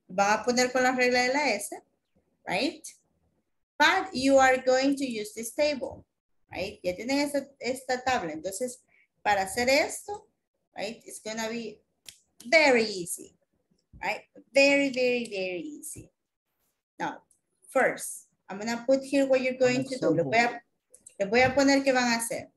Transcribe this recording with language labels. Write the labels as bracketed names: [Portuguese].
[Spanish] Van a poner con la regla de la S, right? [English] But you are going to use this table, right? [Spanish] Ya tienen esta tabla, entonces para hacer esto, right? [English] It's going to be very easy. Right, very, very, very easy. Now, first, I'm gonna put here what you're going to do. [Spanish] Le voy a poner que van a hacer.